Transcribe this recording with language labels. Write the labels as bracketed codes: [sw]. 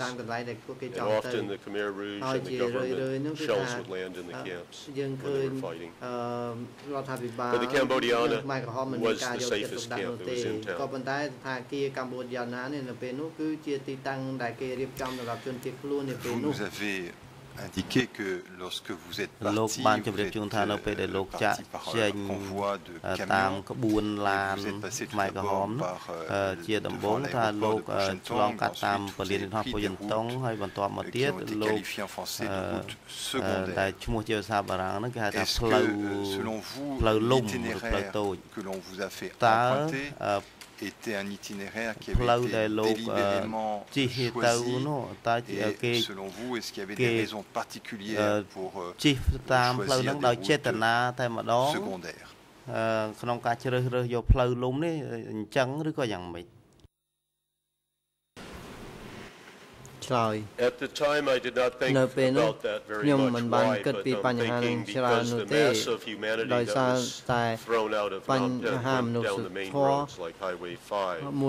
[en] And often the Khmer Rouge and the government shells would land in the camps when they were fighting. But the Cambodiana was the safest camp that was in town. [fr] Vous nous avez indiqué que lorsque vous êtes parti, vous êtes parti par un convoi de camions, vous êtes passé tout d'abord par l'aéroport de Pochentong, ensuite vous avez pris des routes qui ont été qualifiées en français de routes secondaires. Est-ce que, selon vous, l'itinéraire que l'on vous a fait emprunter était un itinéraire qui avait été délibérément choisi? Et selon vous, est-ce qu'il y avait des raisons particulières pour choisir des routes secondaires? Monsieur [en] sorry. At the time, I did not think about that very much. Why? But I'm thinking because the mass of humanity that was thrown out of Phnom Penh down the main roads like Highway 5.